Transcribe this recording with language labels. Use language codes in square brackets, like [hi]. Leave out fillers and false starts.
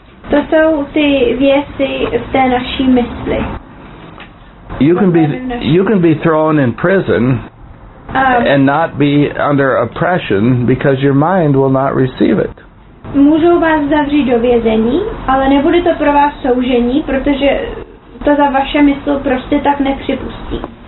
[cs] To jsou ty věci v té naší mysli. [en] You can be thrown in prison and not be under oppression because your mind will not receive it. [cs] Můžou vás zavřít do vězení, ale nebude to pro vás soužení, protože to za vaše mysl prostě tak nepřipustí.